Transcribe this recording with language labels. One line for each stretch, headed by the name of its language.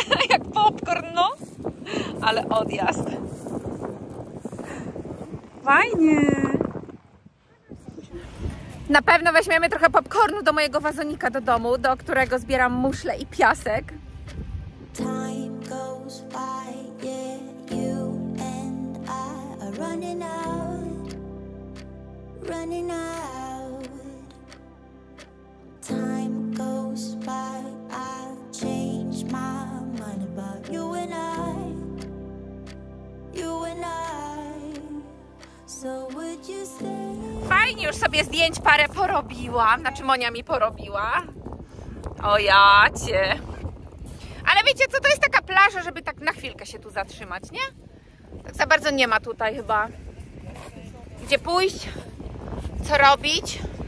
Polish: Jak popcorn, no! Ale odjazd! fajnie. Na pewno weźmiemy trochę popcornu do mojego wazonika do domu, do którego zbieram muszle i piasek.
English: Time goes by, yeah, you and I are running out, running out. Time goes by, I change my mind about you and I, you and I. So would you stay?
Polish: Fajnie, już sobie zdjęć parę porobiłam, znaczy Monia mi porobiła. O jacie. Ale wiecie co, to jest taka plaża, żeby tak na chwilkę się tu zatrzymać, nie? Tak za bardzo nie ma tutaj chyba, gdzie pójść, co robić.